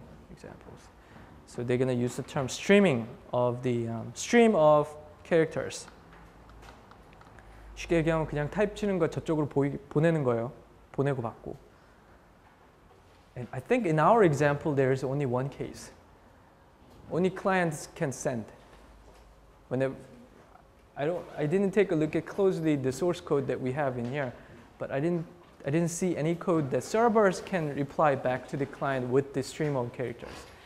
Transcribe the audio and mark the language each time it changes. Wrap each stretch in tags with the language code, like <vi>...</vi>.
<en>Examples. So they're going to use the term streaming of the stream of characters.</en> <ko>쉽게 얘기하면 그냥 타입 치는 거 저쪽으로 보내는 거예요. 보내고 받고.</ko> <en>And I think in our example there is only one case. Only clients can send. I didn't take a look at closely the source code that we have in here, but I didn't see any code that servers can reply back to the client with the stream of characters.</en>